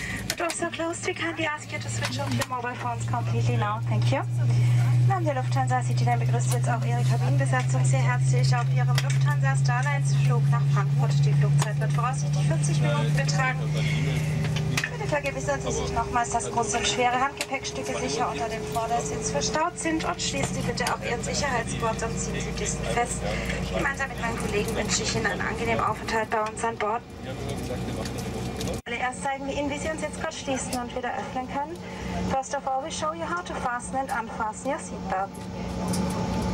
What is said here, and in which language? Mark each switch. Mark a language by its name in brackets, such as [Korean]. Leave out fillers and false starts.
[English] The doors are closed. We kindly ask you to switch off your mobile phones completely now. Thank you. [German] Im Namen der Lufthansa City Line begrüßt jetzt auch Ihre Kabinenbesatzung sehr herzlich auf Ihrem Lufthansa Starlines Flug nach Frankfurt. Die Flugzeit wird voraussichtlich 40 Minuten betragen. Bitte vergewissern Sie sich nochmals, dass große und schwere Handgepäckstücke sicher unter dem Vordersitz verstaut sind und schließen Sie bitte auch Ihren Sicherheitsgurt und ziehen Sie diesen fest. Gemeinsam mit meinen Kollegen wünsche ich Ihnen einen angenehmen Aufenthalt bei uns an Bord. Erst zeigen wir Ihnen, wie Sie uns jetzt gerade schließen und wieder öffnen können. [English] First of all, we show you how to fasten and unfasten your seatbelt.